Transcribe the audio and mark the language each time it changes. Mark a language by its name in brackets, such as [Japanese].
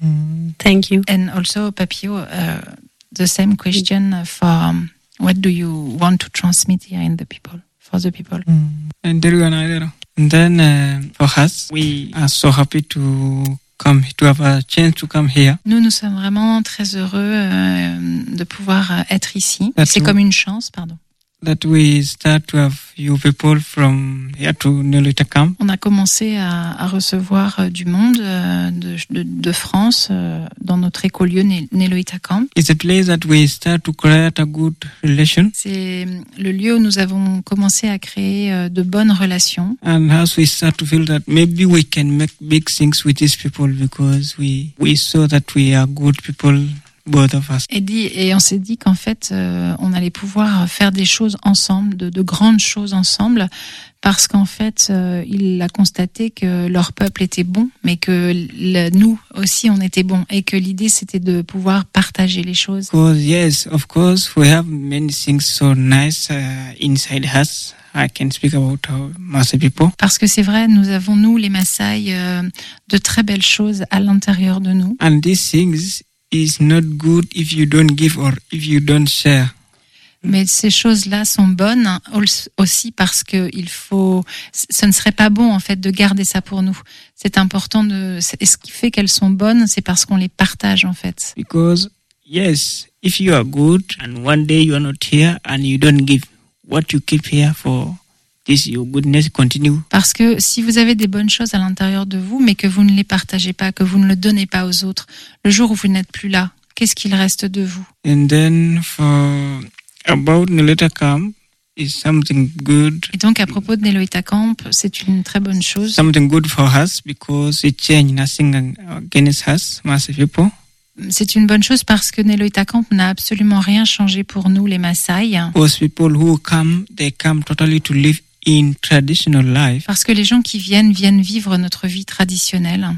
[English] Mm-hmm. Thank you. And also, Papio, the same question for what do you want to transmit here in the people, for the people? And Delugan, I don't know. And then for us, we are so happy to come, to have a chance to come here. [French] Nous sommes vraiment très heureux de pouvoir être ici. [English] That [French] c'est comme une chance, pardon. [English] That we start to have you people from here to Neloita camp. [French] On a commencé à recevoir du monde de France dans notre écolieu Neloita camp. [English] It's a place that we start to create a good relation. [French] C'est le lieu où nous avons commencé à créer de bonnes relations. [English] And as we start to feel that maybe we can make big things with these people because we saw that we are good people. [French] Et on s'est dit qu'en fait, on allait pouvoir faire des choses ensemble, de grandes choses ensemble, parce qu'en fait, il a constaté que leur peuple était bon, mais que nous aussi, on était bon, et que l'idée, c'était de pouvoir partager les choses. [English] Yes, of course, we have many things so nice inside us. I can speak about our Maasai people. [French] Parce que c'est vrai, nous avons, nous, les Maasai, de très belles choses à l'intérieur de nous. [English] And these things is not good if you don't give or if you don't share. [French] Mais ces choses-là sont bonnes aussi parce que il faut. Ce ne serait pas bon en fait de garder ça pour nous. C'est important de. Et ce qui fait qu'elles sont bonnes, c'est parce qu'on les partage en fait. [English] Because yes, if you are good and one day you are not here and you don't give, what you keep here for? This your goodness continue. [French] Parce que si vous avez des bonnes choses à l'intérieur de vous, mais que vous ne les partagez pas, que vous ne le donnez pas aux autres, le jour où vous n'êtes plus là, qu'est-ce qu'il reste de vous? [English] And then for about Neloita camp is something good. [French] Et donc à propos de Neloita camp, c'est une très bonne chose. [English] Something good for us because it changed nothing against us, Maasai people. [French] C'est une bonne chose parce que Neloita camp n'a absolument rien changé pour nous, les Maasai. [English] Those people who come, they come totally to live in traditional life. [French] Parce que les gens qui viennent vivre notre vie traditionnelle.